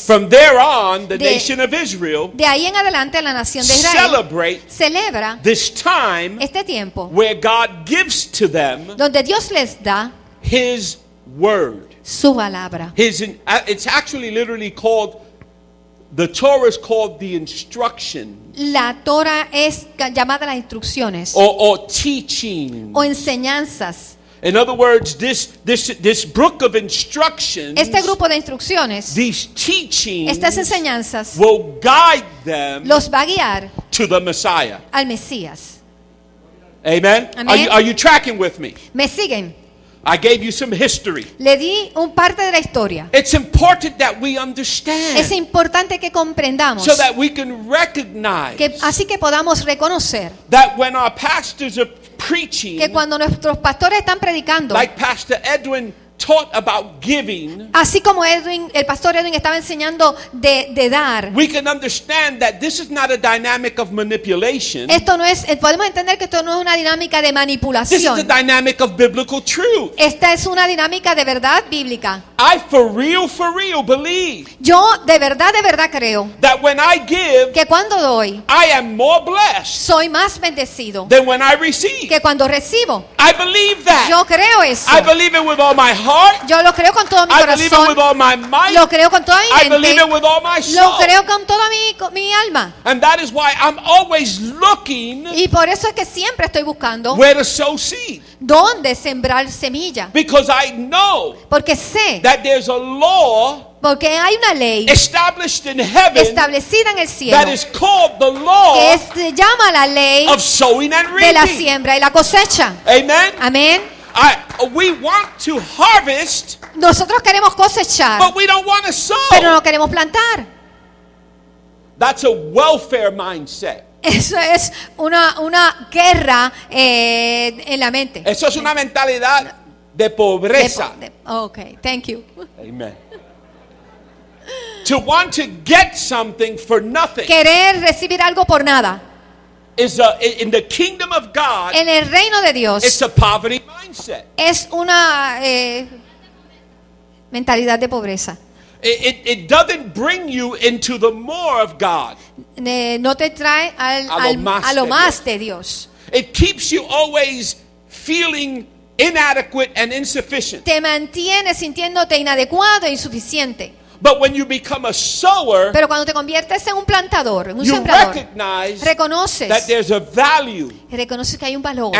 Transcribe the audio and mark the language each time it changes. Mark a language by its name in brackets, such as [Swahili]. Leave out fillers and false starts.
[English] From there on, the nation of Israel. [Spanish] De ahí en adelante, la nación de Israel celebra [English] this time, [Spanish] este tiempo, [English] where God gives to them, [Spanish] donde Dios les da [English] His word, [Spanish] su palabra. [English] It's actually literally called, the Torah is called the instruction. [Spanish] La Torah es llamada las instrucciones. [English] Or teaching. [Spanish] O enseñanzas. [English] In other words, this book of instructions. [Spanish] Este grupo de instrucciones. [English] These teachings. [Spanish] Estas enseñanzas. [English] Will guide them. [Spanish] Los va a guiar. [English] To the Messiah. [Spanish] Al Mesías. [English] Amen. Are you tracking with me? [Spanish] Me siguen. [English] I gave you some history. [Spanish] Le di un parte de la historia. [English] It's important that we understand. [Spanish] Es importante que comprendamos. [English] So that we can recognize. [Spanish] Que, así que podamos reconocer. [English] That when our pastors are preaching. [Spanish] Que cuando nuestros pastores están predicando. [English] Like Pastor Edwin taught about giving. [Spanish] Así como Edwin, el pastor Edwin estaba enseñando de dar. [English] We can understand that this is not a dynamic of manipulation. [Spanish] Esto no es, podemos entender que esto no es una dinámica de manipulación. [English] This is a dynamic of biblical truth. [Spanish] Esta es una dinámica de verdad bíblica. [English] I for real believe. [Spanish] Yo de verdad creo. [English] That when I give, [Spanish] que cuando doy, [English] I am more blessed. [Spanish] Soy más bendecido. [English] Than when I receive. [Spanish] Que cuando recibo. [English] I believe that. [Spanish] Yo creo eso. [English] I believe it with all my heart. [Spanish] Yo lo creo con todo mi corazón. [English] I believe it with all my might. [Spanish] Lo creo con toda mi mente. [English] I believe it with all my soul. [Spanish] Lo creo con toda mi alma. [English] And that is why I'm always looking. [Spanish] Y por eso es que siempre estoy buscando. [English] Where to sow seed. [Spanish] Dónde sembrar semilla. [English] Because I know. [Spanish] Porque sé. [English] That there's a law. [Spanish] Porque hay una ley [English] established in heaven, [Spanish] establecida en el cielo, [English] that is called the law, [Spanish] que se llama la ley [English] of sowing and reaping, [Spanish] de la siembra y la cosecha. [English] Amen. [Spanish] Amén. [English] We want to harvest, [Spanish] nosotros queremos cosechar, [English] but we don't want to sow. [Spanish] Pero no queremos plantar. [English] That's a welfare mindset. [Spanish] Eso es una guerra en la mente. Eso es una mentalidad de pobreza. [English] Okay, thank you. Amen. To want to get something for nothing. [Spanish] Querer recibir algo por nada. [English] Is a, in the kingdom of God. [Spanish] En el reino de Dios. [English] It's a poverty mindset. [Spanish] Es una mentalidad de pobreza. [English] It doesn't bring you into the more of God. [Spanish] No te trae a lo más de Dios. [English] It keeps you always feeling inadequate and insufficient. [Spanish] Te mantiene sintiéndote inadecuado e insuficiente. [English] But when you become a sower, [Spanish] pero cuando te conviertes en un plantador, en un [English] you [Spanish] sembrador, [English] recognize [Spanish] reconoces [English] that there's a value, [Spanish] reconoces que hay un valor,